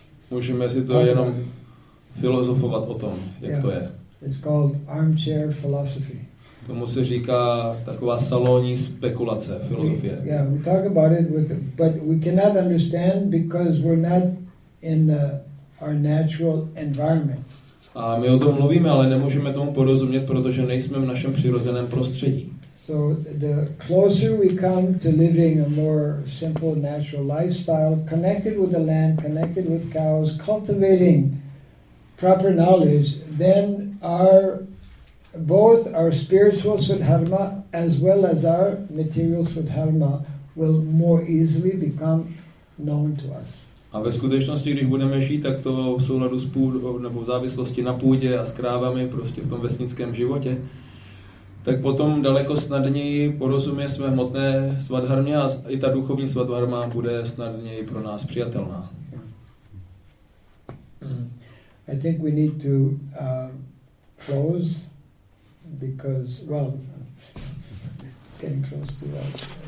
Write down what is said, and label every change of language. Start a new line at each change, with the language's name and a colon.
Czech: Můžeme si to jenom filozofovat o tom, jak to je.
English: It's called armchair philosophy.
Czech: Tomu se říká taková salonní spekulace, filozofie.
English: Yeah, we talk about it with but we cannot understand because we're not in our natural environment.
Czech: A my o tom mluvíme, ale nemůžeme tomu porozumět, protože nejsme v našem přirozeném prostředí.
English: So the closer we come to living a more simple natural lifestyle, connected with the land, connected with cows, cultivating proper knowledge, then our both our spiritual svadharma as well as our material svadharma will more easily become known to us.
Czech: A ve skutečnosti, když budeme žít, tak to v souladu s půdou nebo v závislosti na půdě a s krávami, prostě v tom vesnickém životě, tak potom daleko snadněji porozumě své hmotné svadharmě a i ta duchovní svadharma bude snadněji pro nás přijatelná.
English: I think we need to close because, well, it's getting close to us.